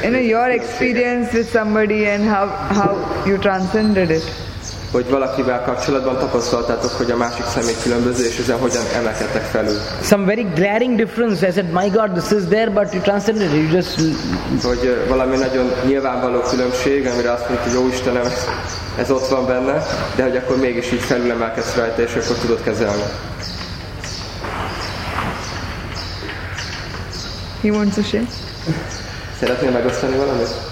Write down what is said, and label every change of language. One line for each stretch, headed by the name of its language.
English: You know, your experience with somebody and how you transcended it.
Hungarian: Hogy valakivel kapcsolatban tapasztaltátok, hogy a másik személy különböző, és ezen hogyan emelkedtek felül.
English: Some very glaring difference. I said, my God, this is there, but you transcended it. You just...
Hungarian: Hogy valami nagyon nyilvánvaló különbség, amire azt mondjuk, hogy jó Istenem, ez ott van benne, de hogy akkor mégis így felül emelkedsz rajta, és akkor tudod kezelni.
English: He wants to share.
Hungarian: Szeretnél megosztani valamit?